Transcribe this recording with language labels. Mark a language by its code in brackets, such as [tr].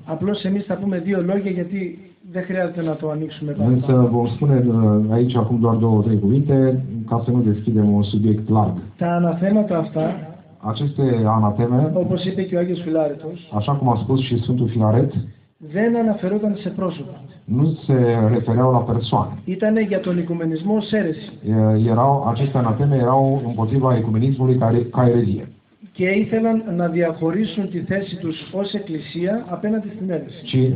[el] Απλώς εμείς θα πούμε δύο λόγια γιατί δεν χρειάζεται να το ανοίξουμε πάνω. [ro] Însă vom spune aici acum doar două, trei cuvinte ca să nu deschidem un subiect larg. [el] Τα αναθέματα αυτά. [ro] Aceste anateme, [el] όπως είπε και ο Άγιος Φιλάρετος, [ro] așa cum a spus și Sfântul Filaret, [el] δεν αναφερόταν σε πρόσωπα. [ro] Nu se refereau la persoane. [el] Ήτανε για τον οικουμενισμό ως αίρεση. [ro] Aceste anateme erau împotriva οικουμενισμού ca ερεζία. [el] Και ήθελαν να διαχωρίσουν τη θέση τους ως εκκλησία απέναντι στην αίρεση.